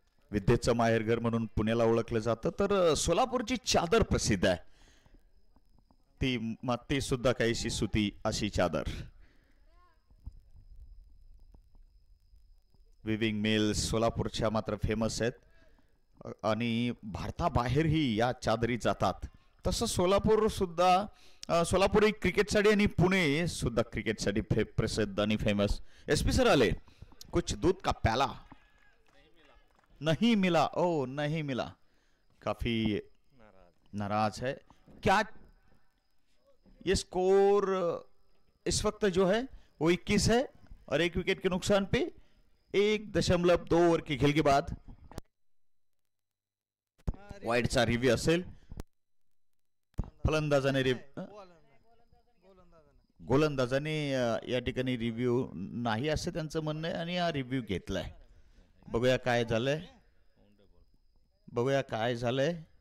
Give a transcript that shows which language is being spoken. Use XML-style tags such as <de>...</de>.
<mr>विद्येचं माहेरघर म्हणून पुण्याला ओळखलं जातं, तर सोलापूरची चादर प्रसिद्ध आहे, ती माती सुद्धा काहीशी सुती अशी चादर, विविंग मिल्स सोलापूरच्या मात्र फेमस आहेत आणि भारताबाहेरही या चादरी जातात, तसं सोलापूर सुद्धा, सोलापूर ही क्रिकेटसाठी आणि पुणे सुद्धा क्रिकेटसाठी प्रसिद्ध आणि फेमस।</mr> <hi>एस पी सर आले, कुछ दूध का प्याला नहीं मिला, ओ नहीं मिला, काफी नाराज है क्या? ये स्कोर इस वक्त जो है वो 21 है और एक विकेट के नुकसान पे 1.2 ओवर के खेल के बाद</hi> <mr>वाइड चा रिव्यू असेल, फलंदाजाने गोलंदाजाने या ठिकाणी रिव्ह्यू नाही असे त्यांचं म्हणणं आहे आणि हा रिव्ह्यू घेतलाय, बघूया काय झालंय, बघूया काय झालंय,</mr>